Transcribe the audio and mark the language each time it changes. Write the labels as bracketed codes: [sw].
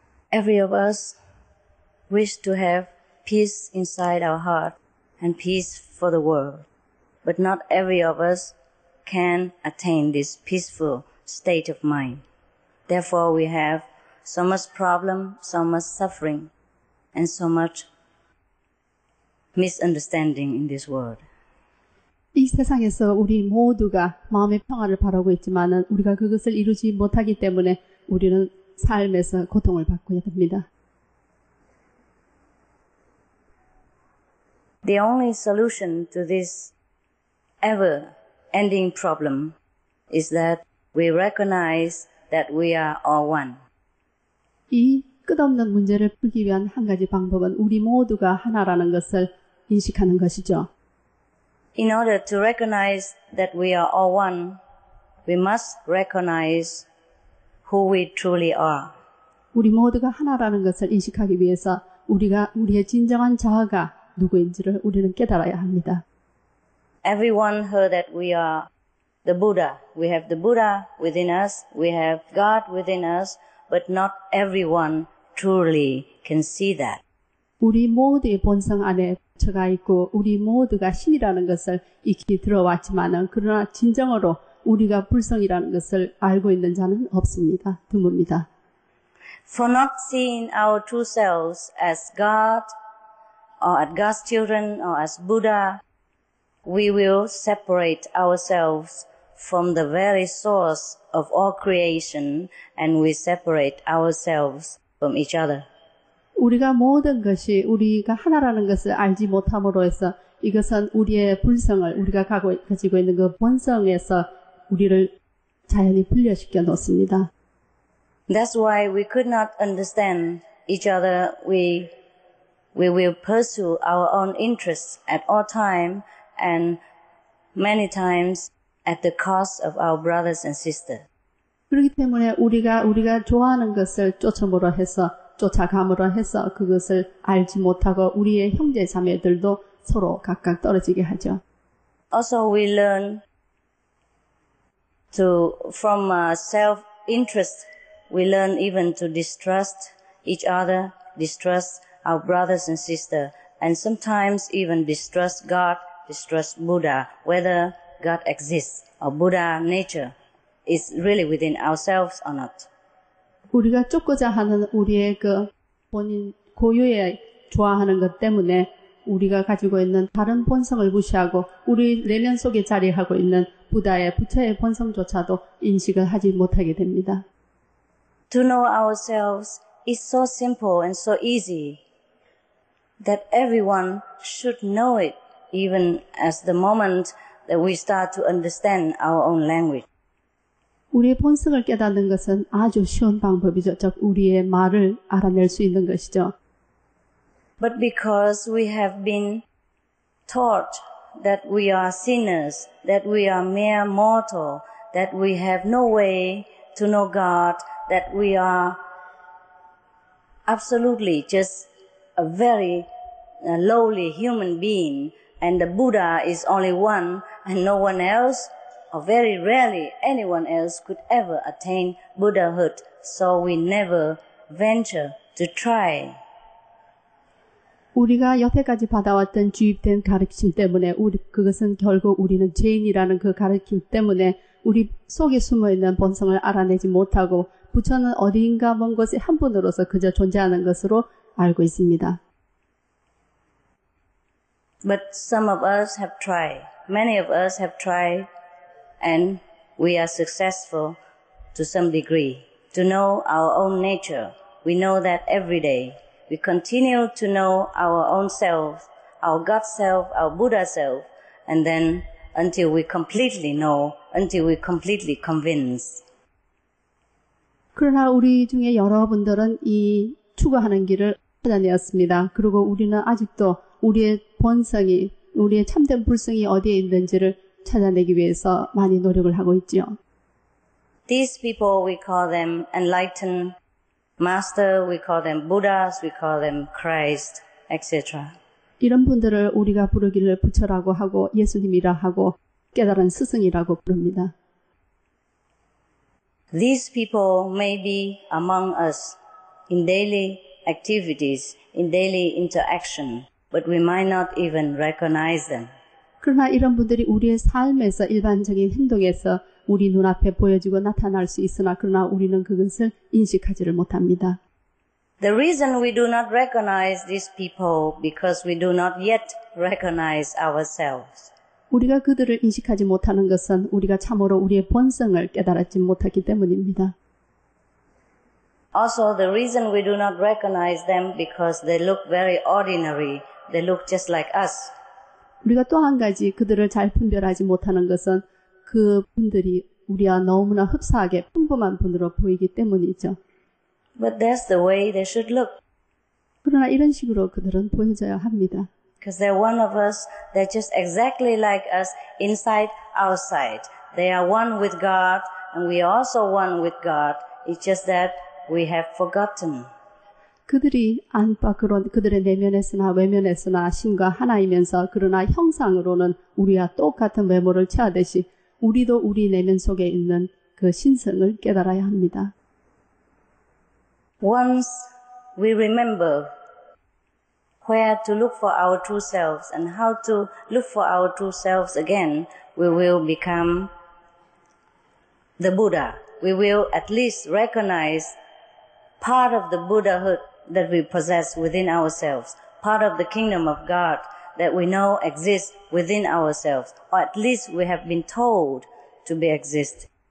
[en] Every of us wish to have peace inside our heart and peace for the world. But not every of us can attain this peaceful state of mind. Therefore, we have so much problem, so much suffering, and so much misunderstanding in this world. [ko] 이 세상에서 우리 모두가 마음의 평화를 바라고 있지만 우리가 그것을 이루지 못하기 때문에 우리는 삶에서 고통을 받고 있습니다. [en] The only solution to this ever-ending problem is that we recognize that we are all one. [ko] 이 끝없는 문제를 풀기 위한 한 가지 방법은 우리 모두가 하나라는 것을 인식하는 것이죠. [en] In order to recognize that we are all one, we must recognize who we truly are. [ko] 우리 모두가 하나라는 것을 인식하기 위해서 우리가 우리의 진정한 자아가 누구인지를 우리는 깨달아야 합니다. [en] Everyone heard that we are the Buddha. We have the Buddha within us. We have God within us. But not everyone truly can see that. [ko] 우리 모두의 본성 안에 부처가 있고 우리 모두가 신이라는 것을 익히 들어왔지만은 그러나 진정으로 우리가 불성이라는 것을 알고 있는 자는 없습니다. 드뭅니다. [en] For not seeing our true selves as God or as God's children or as Buddha, we will separate ourselves from the very source of all creation and we separate ourselves from each other. [ko] 우리가 모든 것이 우리가 하나라는 것을 알지 못함으로 해서 이것은 우리의 불성을 우리가 가지고 있는 그 본성에서 우리를 자연히 분리시켜 놓습니다. [en] That's why we could not understand each other. We will pursue our own interests at all time and many times at the cost of our brothers and sisters. [ko] 그렇기 때문에 우리가 좋아하는 것을 쫓음으로 해서 쫓아감으로 해서 그것을 알지 못하고 우리의 형제 자매들도 서로 각각 떨어지게 하죠. [en] Also, we learn to from self-interest. We learn even to distrust each other, distrust our brothers and sisters, and sometimes even distrust God, distrust Buddha. Whether God exists or Buddha nature is really within ourselves or not. [ko] 우리가 쫓고자 하는 우리의 그 본인 고유의 좋아하는 것 때문에 우리가 가지고 있는 다른 본성을 무시하고 우리 내면 속에 자리하고 있는 부다의 부처의 본성조차도 인식을 하지 못하게 됩니다. [en] To know ourselves is so simple and so easy that everyone should know it even as the moment that we start to understand our own language. [ko] 우리의 본성을 깨닫는 것은 아주 쉬운 방법이죠. 즉 우리의 말을 알아낼 수 있는 것이죠. [en] But because we have been taught that we are sinners, that we are mere mortal, that we have no way to know God, that we are absolutely just a very lowly human being, and the Buddha is only one and no one else, or very rarely anyone else could ever attain Buddhahood, so we never venture to try. [ko] 우리가 여태까지 받아왔던 주입된 가르침 때문에 그것은 결국 우리는 죄인이라는 그 가르침 때문에 우리 속에 숨어있는 본성을 알아내지 못하고 부처는 어디인가 먼 곳의 한 분으로서 그저 존재하는 것으로 알고 있습니다. [en] But some of us have tried. Many of us have tried and we are successful to some degree. To know our own nature, we know that every day. We continue to know our own self, our God self, our Buddha self, and then until we completely know, until we completely convince. [ko] 그러나 우리 중에 여러분들은 이 추구하는 길을 찾아내었습니다. 그리고 우리는 아직도 우리의 본성이, 우리의 참된 불성이 어디에 있는지를 찾아내기 위해서 많이 노력을 하고 있지요. [en] These people, we call them enlightened Master, we call them Buddhas, we call them Christ, etc. [ko] 이런 분들을 우리가 부르기를 부처라고 하고 예수님이라 하고 깨달은 스승이라고 부릅니다. [en] These people may be among us in daily activities, in daily interaction, but we might not even recognize them. [ko] 그러나 이런 분들이 우리의 삶에서 일반적인 행동에서 우리 눈앞에 보여지고 나타날 수 있으나 그러나 우리는 그것을 인식하지를 못합니다. [en] The reason we do not recognize these people because we do not yet recognize ourselves. [ko] 우리가 그들을 인식하지 못하는 것은 우리가 참으로 우리의 본성을 깨달았지 못하기 때문입니다. [en] Also, the reason we do not recognize them because they look very ordinary. They look just like us. [ko] 우리가 또 한 가지 그들을 잘 분별하지 못하는 것은 그 분들이 우리와 너무나 흡사하게 평범한 분으로 보이기 때문이죠. [en] But that's the way they should look. [ko] 그러나 이런 식으로 그들은 보여져야 합니다. [en] Because they're one of us, they're just exactly like us, inside, outside. They are one with God, and we are also one with God. It's just that we have forgotten. [ko] 그들이 안팎으로 그들의 내면에서나 외면에서나 신과 하나이면서 그러나 형상으로는 우리와 똑같은 외모를 취하듯이 우리도 우리 내면 속에 있는 그 신성을 깨달아야 합니다. [en] Once we remember where to look for our true selves and how to look for our true selves again, we will become the Buddha. We will at least recognize part of the Buddhahood that we possess within ourselves, part of the kingdom of God that we know exists within ourselves, or at least we have been told to be exist.